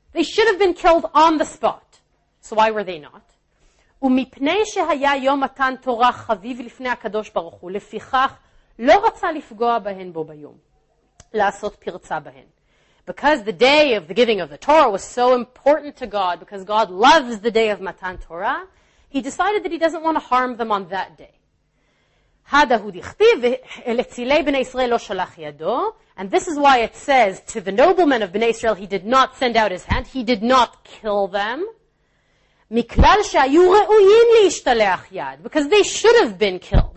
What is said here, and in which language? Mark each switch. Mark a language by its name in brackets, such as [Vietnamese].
[English] They should have been killed on the spot. So why were they not? [Hebrew] ומפני שהיה יום מתן תורה חביב לפני הקדוש ברוך הוא, לפיכך לא רצה לפגוע בהן בו ביום. לעשות פרצה בהן. [English] Because the day of the giving of the Torah was so important to God, because God loves the day of Matan Torah, he decided that he doesn't want to harm them on that day. [Hebrew] הדא הוא דכתיב, לצילי בני ישראל לא שלח ידו, [English] and this is why it says, to the noblemen of Bnei Israel, he did not send out his hand, he did not kill them, [Hebrew] מכלל שהיו ראויים להשתלח יד, [English] because they should have been killed.